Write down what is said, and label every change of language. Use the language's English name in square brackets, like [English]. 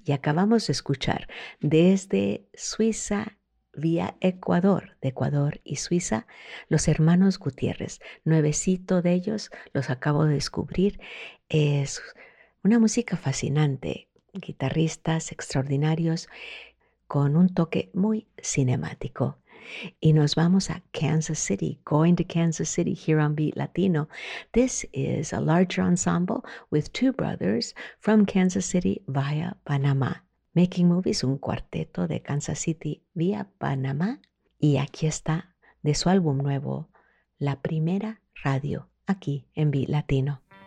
[Spanish] Y acabamos de escuchar desde Suiza, vía Ecuador, de Ecuador y Suiza, los hermanos Gutiérrez. Nuevecito de ellos, los acabo de descubrir. Es una música fascinante, guitarristas extraordinarios con un toque muy cinemático. Y nos vamos a Kansas City, [English] going to Kansas City here on Beat Latino. This is a larger ensemble with two brothers from Kansas City via Panama. [Spanish] Making Movies, un cuarteto de Kansas City vía Panamá. Y aquí está, de su álbum nuevo, La Primera Radio, aquí en Beat Latino.